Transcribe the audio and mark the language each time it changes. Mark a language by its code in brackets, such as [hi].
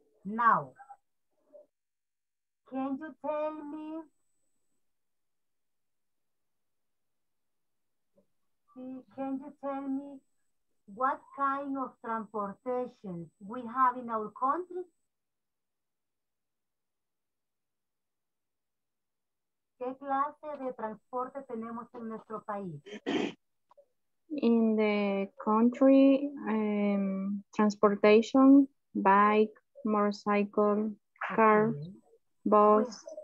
[en] Now, can you tell me? Can you tell me what kind of transportation we have in our country? [es] ¿Qué clase de transporte tenemos en nuestro país? [en] In the country, transportation, bike, motorcycle, car, bus.